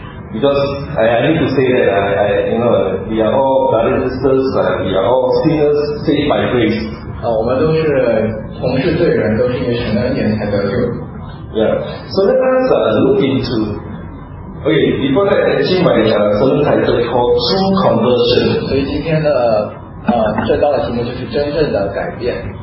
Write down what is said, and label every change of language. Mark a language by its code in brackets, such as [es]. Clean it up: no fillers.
[en] Because I need to say that we are all brothers and sisters, we are all sinners saved by grace. [zh] 我们都是同是罪人，都是因为神的恩典才得救。 [en] Yeah. So let us look into. Okay. Before that, actually, my sermon title is called True Conversion. [zh] 所以今天的最高的题目就是真正的改变。